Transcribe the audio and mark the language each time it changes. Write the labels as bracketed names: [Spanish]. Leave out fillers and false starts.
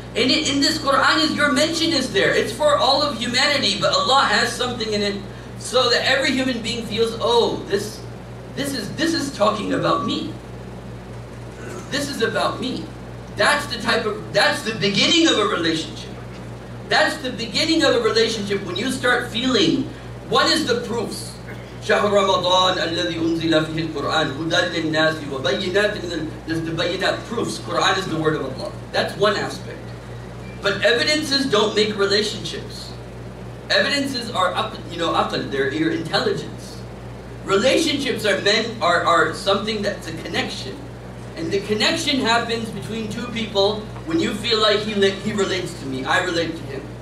[English] And in this Quran, your mention is there. It's for all of humanity, but Allah has something in it so that every human being feels, oh, this is talking about me. This is about me. That's the beginning of a relationship. That's the beginning of a relationship when you start feeling, what is the proofs? [Arabic] شَهْرَ رَمَضَانَ الَّذِي أُنزِلَ فِيهِ الْقُرْآنِ هُدَى لِلنَّاسِ وَبَيِّنَاتٍ [English] There's the bayinat, proofs. Quran is the word of Allah. That's one aspect. But evidences don't make relationships. Evidences are aql, they're your intelligence. Relationships are something that's a connection. And the connection happens between two people when you feel like he relates to me, I relate to him.